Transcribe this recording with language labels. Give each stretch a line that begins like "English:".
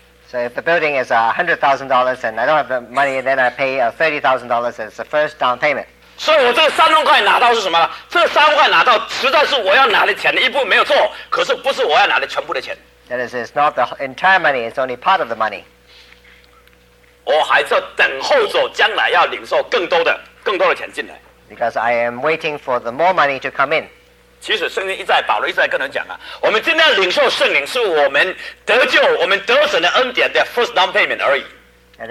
English: So if the building is $100,000 and I don't have the money, then I pay $30,000 as the first down payment.
Chinese: So 我这三万块拿到是什么？这三万块拿到实在是我要拿的钱的一部分，没有错。可是不是我要拿的全部的钱。That
English: is, it's not the entire money; it's only part of the money.
Chinese: 我还是要等候走将来要领受更多的钱进来。Because
English: I am waiting for the more money to come in.
Chinese: 其实圣经一再保罗一再跟人讲啊，我们今天领受圣灵是我们得救、我们得神的恩典的
English: first down payment
Chinese: 而已。That